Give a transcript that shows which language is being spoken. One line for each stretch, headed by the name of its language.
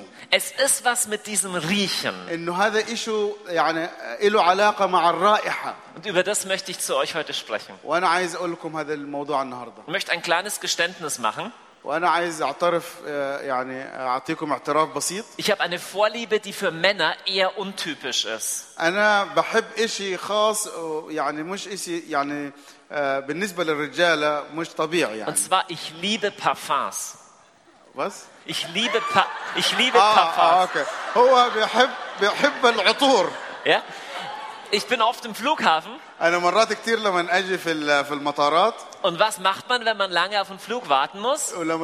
German: Es ist was mit diesem Riechen. Und über das möchte ich zu euch heute sprechen. Ich möchte ein kleines Geständnis machen.
Arabic: وأنا عايز أعترف يعني أعطيكم اعتراف بسيط.
German: Ich habe eine Vorliebe, die für Männer eher untypisch ist.
Arabic: أنا بحب إشي خاص يعني مش إشي يعني بالنسبة للرجالة مش طبيعي يعني.
German: Und zwar ich liebe Parfums. Was? Ich liebe Parfums.
Arabic: Okay. هو بيحب العطور.
German: Ja. Ich bin oft im Flughafen.
Arabic: أنا مرات كتير لما أجي في المطارات.
German: Und was macht man, wenn man lange auf einen Flug warten muss?